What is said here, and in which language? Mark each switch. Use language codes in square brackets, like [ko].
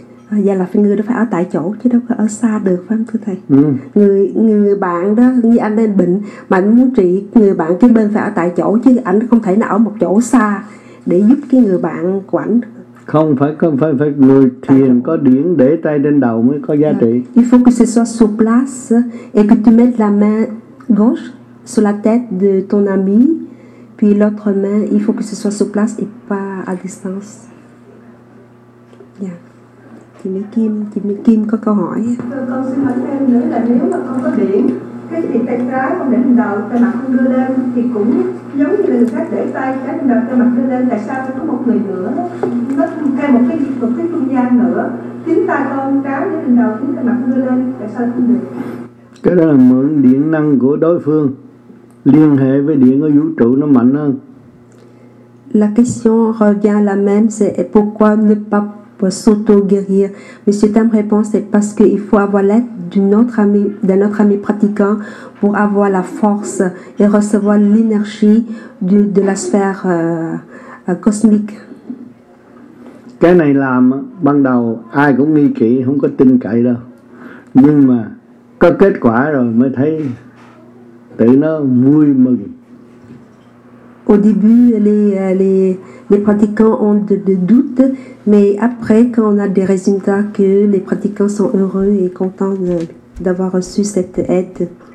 [vi] Vậy là người đó phải ở tại chỗ chứ đâu có ở xa được, phải không thưa thầy? Người bạn đó, như anh đang bệnh mà anh muốn trị, người bạn kia bên phải ở tại chỗ chứ anh không thể nào ở một chỗ xa để giúp cái người bạn của anh. Không phải, phải người thiền có điển để tay trên đầu mới có giá trị. [fr] Il faut que ce soit sur place et que tu mettes la main gauche sur la tête de ton ami, puis l'autre main, il faut que ce soit sur place et pas à distance. [vi] Yeah. Chị Mỹ Kim có câu hỏi. Con xin hỏi thêm nữa là nếu mà con có điển, cái gì tay trái không để lên đầu, tay mặt không đưa lên thì cũng giống như là cách để tay trái lên đầu, tay mặt đưa lên. Tại sao có một người nữa, nó thêm một cái trung gian nữa, chính tay con trái để lên đầu, chính tay mặt đưa lên, tại sao không được? Cái đó là mượn điện năng của đối phương, liên hệ với điện ở vũ trụ nó mạnh hơn. [fr] La question revient la même, c'est pourquoi ne pas s'auto-guérir. Monsieur Tam répond, c'est parce qu'il faut avoir l'aide d'un autre ami pratiquant pour avoir la force et recevoir l'énergie de la sphère cosmique. [vi] Cái này làm ban đầu ai cũng nghi kỵ, không có tin cậy đâu. Nhưng mà có kết quả rồi mới thấy tự nó vui mừng. [fr] Au début, les pratiquants ont de doutes, mais après, quand on a des résultats, que les pratiquants sont heureux et contents d'avoir reçu cette aide.